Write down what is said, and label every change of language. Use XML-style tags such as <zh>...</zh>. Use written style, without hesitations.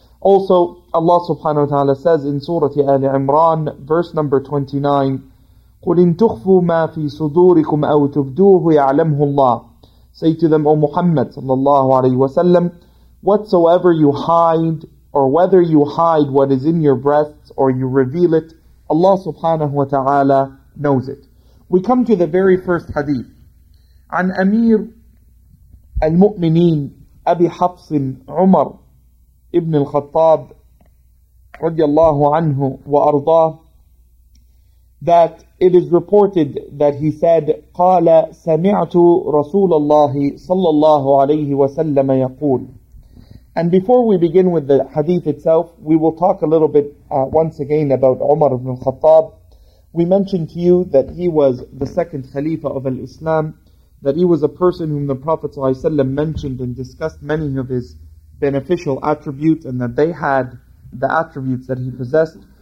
<en>Also, Allah subhanahu wa ta'ala says in Surah Ali Imran, verse number 29,</en> <ar>قُلْ إِن تُخْفُوا مَا فِي صُدُورِكُمْ أَوْ تُبْدُوهُ يَعْلَمْهُ اللَّهُ.</ar> <en>Say to them, O Muhammad sallallahu alayhi wa sallam, whatsoever you hide, or whether you hide what is in your breasts or you reveal it, Allah subhanahu wa ta'ala knows it. We come to the very first hadith.</en> <ar>عن أمير المؤمنين أبي حفص عمر ابن الخطاب رضي الله عنه وأرضاه,</ar> <en>that it is reported that he said,</en> <ar>قال سمعت رسول الله صلى الله عليه وسلم يقول.</ar> <en>And before we begin with the hadith itself, we will talk a little bit once again about Umar ibn al-Khattab. We mentioned to you that he was the second Khalifa of al-Islam, that he was a person whom the Prophet ﷺ mentioned and discussed many of his beneficial attributes, and that they had the attributes that he possessed.</en>